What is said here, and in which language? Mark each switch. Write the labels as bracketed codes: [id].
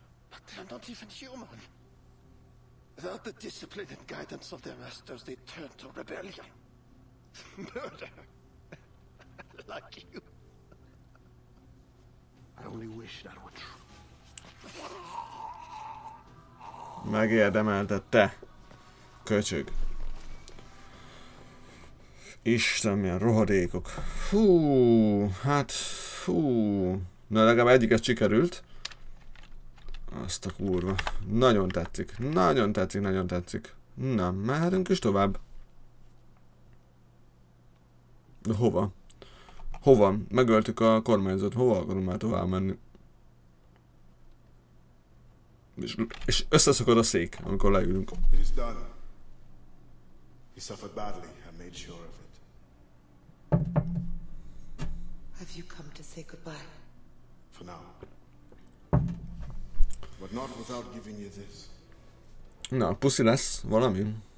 [en] But they're not even human. Without the discipline and guidance of their masters, they turn to rebellion. Murder. Like you. I only wish that were true. [hu] Megérdemelted te, köcsög. Isten, milyen rohadékok. Hú, hát, hú. Na, legalább egyiket sikerült. Azt a kurva. Nagyon tetszik. Nagyon tetszik, nagyon tetszik. Na, mehetünk is tovább. De hova? Hova? Megöltük a kormányzót. Hova akarunk már tovább menni? És összeszakad a szék, amikor leülünk. [en] It is done. He suffered badly. I made sure of it. Have you come to say goodbye? For now. But not without giving you this. [hu] Na, puszi lesz valami.